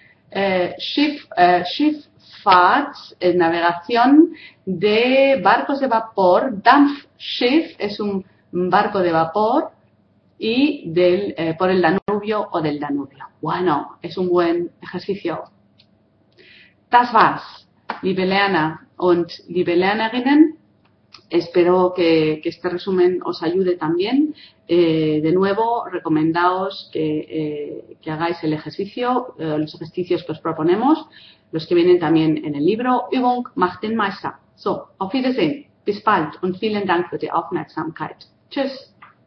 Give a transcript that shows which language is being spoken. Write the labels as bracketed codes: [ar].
[es] Schifffahrt, navegación de barcos de vapor, Dampfschiff es un barco de vapor y por el Danubio o del Danubio. Bueno, es un buen ejercicio. [de] Das war's, liebe Lerner und liebe Lernerinnen. [es] Espero que este resumen os ayude también. De nuevo, recomendaos que hagáis el ejercicio, los ejercicios que os proponemos, los que vienen también en el libro. [de] Übung macht den Meister. So, auf Wiedersehen, bis bald und vielen Dank für die Aufmerksamkeit. Tschüss.